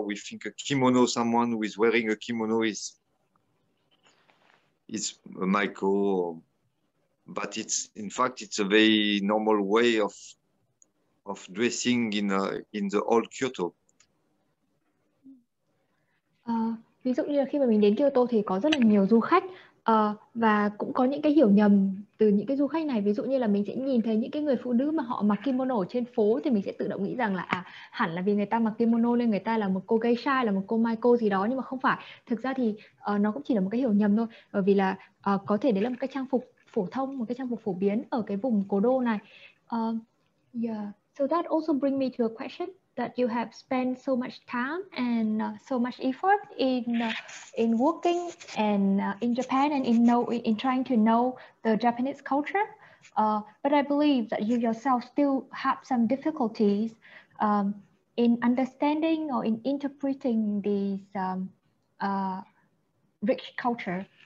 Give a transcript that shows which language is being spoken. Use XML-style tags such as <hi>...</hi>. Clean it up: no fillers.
<en>We think a kimono, someone who is wearing a kimono, is a maiko. But it's in fact it's a very normal way of dressing in the old Kyoto.</en> <vi>Ví dụ như là khi mà mình đến Kyoto thì có rất là nhiều du khách và cũng có những cái hiểu nhầm từ những cái du khách này. Ví dụ như là mình sẽ nhìn thấy những cái người phụ nữ mà họ mặc kimono ở trên phố thì mình sẽ tự động nghĩ rằng là hẳn là vì người ta mặc kimono nên người ta là một cô geisha, là một cô maiko gì đó, nhưng mà không phải. Thực ra thì nó cũng chỉ là một cái hiểu nhầm thôi, bởi vì là có thể đấy là một cái trang phục phổ thông, một cái trang phục phổ biến ở cái vùng cố đô này.</vi> <en>So that also bring me to a question that you have spent so much time and so much effort in working and in Japan and in trying to know the Japanese culture. But I believe that you yourself still have some difficulties in understanding or in interpreting these rich culture.</en>